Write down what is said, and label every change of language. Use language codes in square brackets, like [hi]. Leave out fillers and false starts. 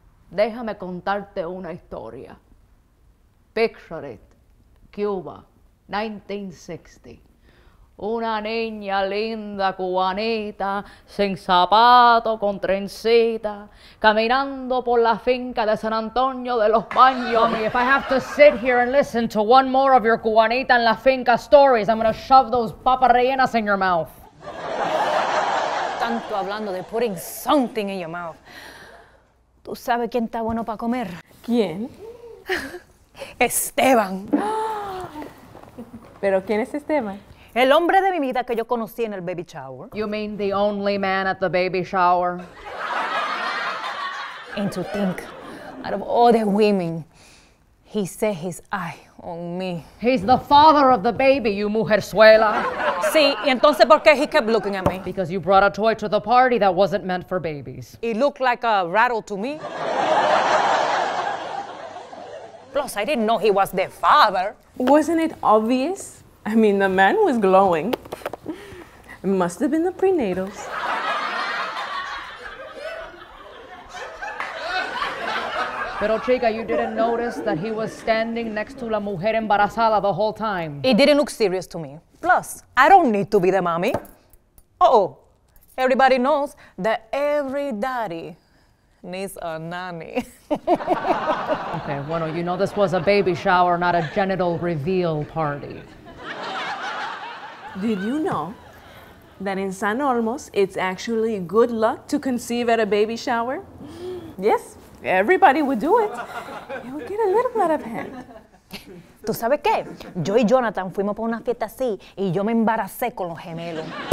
[es] Déjame contarte una historia. [en] Picture it. [es] Cuba, 1960. Una niña linda cubanita, sin zapato, con trencita, caminando por la finca de San Antonio de los Baños. [en] If I have to sit here and listen to one more of your [es] cubanita en la finca [en] stories, I'm going to shove those papas rellenas in your mouth. [es] Tanto hablando de [en] putting something in your mouth. [es] ¿Tú sabes quién está bueno para comer? ¿Quién? Esteban. ¿Pero quién es Esteban? El hombre de mi vida que yo conocí en el baby shower. [en] You mean the only man at the baby shower? And to think, out of all the women, he set his eye on me. He's the father of the baby, you mujerzuela. [es] Sí, y entonces ¿por qué [en] he kept looking at me? Because you brought a toy to the party that wasn't meant for babies. It looked like a rattle to me. Plus, I didn't know he was the father. Wasn't it obvious? I mean, the man was glowing. It must have been the prenatals. [es] Pero chica, [en] you didn't notice that he was standing next to [es] la mujer embarazada [en] the whole time. It didn't look serious to me. Plus, I don't need to be the mommy. Uh-oh, everybody knows that every daddy needs a nanny. Okay, bueno, you know this was a baby shower, not a genital reveal party. Did you know that in San Olmos, it's actually good luck to conceive at a baby shower? Yes. Everybody would do it. It would get a little out of hand. [es] ¿Tú sabes qué? Yo y Jonathan fuimos para una fiesta así y yo me embaracé con los gemelos.